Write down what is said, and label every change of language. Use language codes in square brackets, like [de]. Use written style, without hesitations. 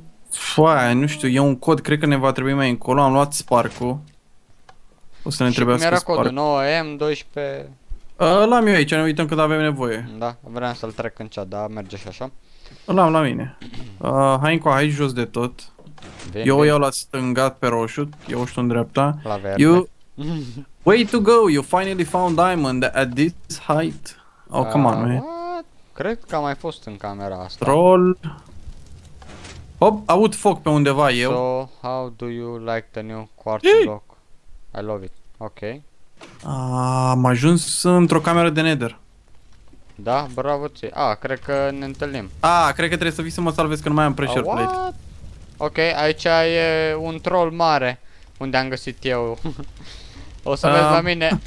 [ro] Foaia, nu știu, e un cod, cred că ne va trebui mai încolo. Am luat spark-ul. O să ne trebuiască spark. Și cum era codul? 9M12. L-am eu aici, ne uităm când avem nevoie. Da, vreau să-l trec în chat, dar merge și așa. L-am la mine. Hai încoa, hai jos de tot. Bine, eu o iau la stânga pe roșu, eu o știu în dreapta. La verde. You... [en] Way to go, you finally found diamond at this height. Oh, come on, man. What? [ro] Cred că a mai fost în camera asta. Troll. Hop, aud foc pe undeva eu. [en] So, how do you like the new quartz block? I love it. Ok. [ro] Am ajuns într-o cameră de nether. Da, bravo ție. Ah, cred că ne întâlnim. Ah, cred că trebuie să vii să mă salvezi că nu mai am pressure plate. Ok, aici e un troll mare. Unde am găsit eu. O să vezi la mine.